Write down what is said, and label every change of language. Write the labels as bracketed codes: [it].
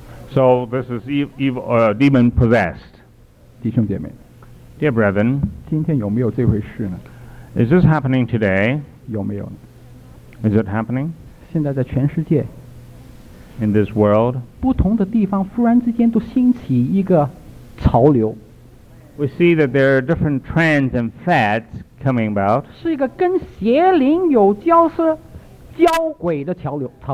[en] So this is demon possessed. [zh] 弟兄姐妹 [en] ，Dear brethren， [zh] 今天有没有这回事呢 [en] ？Is this happening today？ [zh] 有没有 [en] ？Is it happening？ [zh] 现在在全世界 [en] ，In this world， [zh] 不同的地方忽然之间都兴起一个潮流。 [en] We see that there are different trends and fads coming about. [zh] 是一个跟邪灵有交涉、交鬼的潮流。